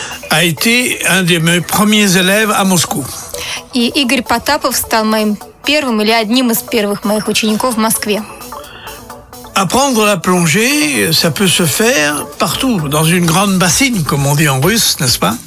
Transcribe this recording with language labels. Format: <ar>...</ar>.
<fr>a été un de mes premiers élèves à Moscou.</fr> <ru>И Игорь Потапов стал моим первым или одним из первых моих учеников в Москве.</ru> <fr>Apprendre la plongée, ça peut se faire partout, dans une grande bassine, comme on dit en russe, n'est-ce pas?</fr>